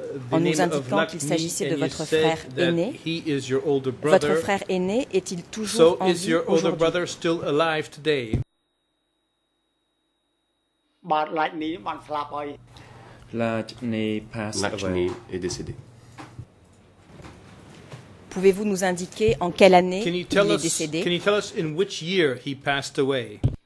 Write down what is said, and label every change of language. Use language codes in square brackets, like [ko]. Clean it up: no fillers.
[fr] en nous indiquant qu'il s'agissait de votre frère aîné. [en] He is your older brother. [fr] Votre frère aîné est-il toujours en vie aujourd'hui? [en] So is your older brother still alive today? Lakhni passed away. [fr] Lakhni est décédé. Pouvez-vous nous indiquer en quelle année il est décédé? [en] Can you tell us in which year he passed away?